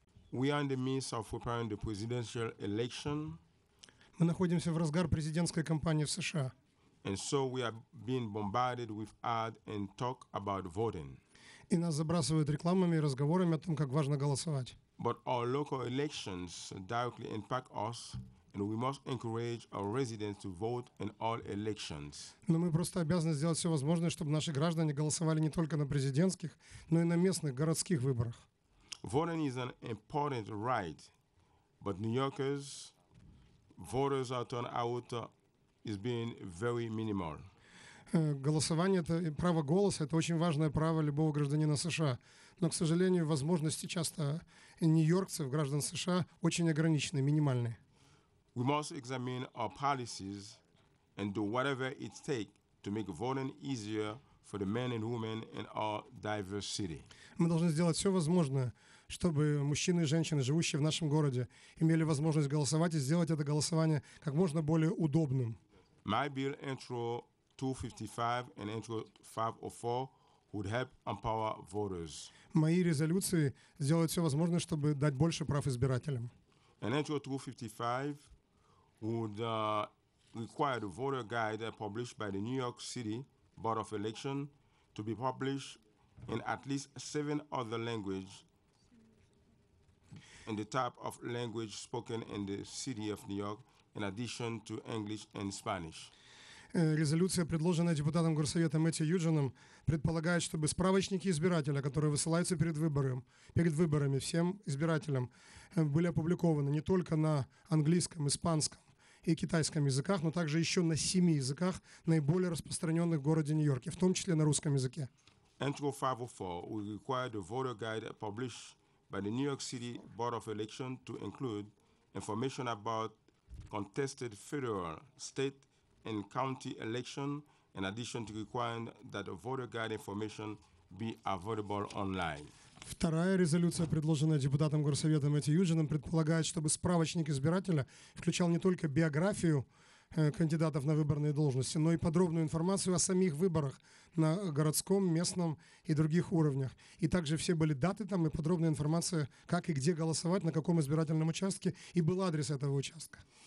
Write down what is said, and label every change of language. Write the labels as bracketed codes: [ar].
[en] We are in the midst of preparing the presidential election. [ru] Мы находимся в разгар президентской кампании в США. [en] And so we are being bombarded with ads and talk about voting. [ru] И нас забрасывают рекламами и разговорами о том, как важно голосовать. [en] But our local elections directly impact us. And we must encourage our residents to vote in all elections. [ru] Но мы просто обязаны сделать все возможное, чтобы наши граждане голосовали не только на президентских, но и на местных, городских выборах. [en] Voting is an important right, but New Yorkers, voters are turned out is being very minimal. [ru] Голосование, это право голоса, это очень важное право любого гражданина США. Но, к сожалению, возможности часто нью-йоркцев, граждан США, очень ограничены, минимальны. [en] We must examine our policies and do whatever it takes to make voting easier for the men and women in our diverse city. [ru] Мы должны сделать все возможное, чтобы мужчины и женщины, живущие в нашем городе, имели возможность голосовать и сделать это голосование как можно более удобным. [en] My bill, Intro 255 and Intro 504, would help empower voters. [ru] Мои резолюции сделают все возможное, чтобы дать больше прав избирателям. [en] And Intro 255 would require the voter guide published by the New York City Board of Election to be published in at least 7 other languages and the type of language spoken in the city of New York in addition to English and Spanish. [ru] Резолюция, предложенная депутатом Горсовета Мэтью Юджином, предполагает, чтобы справочники избирателя, которые высылаются перед выборами всем избирателям, были опубликованы не только на английском, испанском, и китайском языках, но также еще на 7 языках, наиболее распространенных в городе Нью-Йорке, в том числе на русском языке. [en] Intro 504 will require the voter guide published by the New York City Board of Election to include information about contested federal, state, and county election, in addition to requiring that the voter guide information be available online. [ru] Вторая резолюция, предложенная депутатом Горсовета Мэтью Юджином, предполагает, чтобы справочник избирателя включал не только биографию кандидатов на выборные должности, но и подробную информацию о самих выборах на городском, местном и других уровнях. И также все были даты там и подробная информация, как и где голосовать, на каком избирательном участке и был адрес этого участка.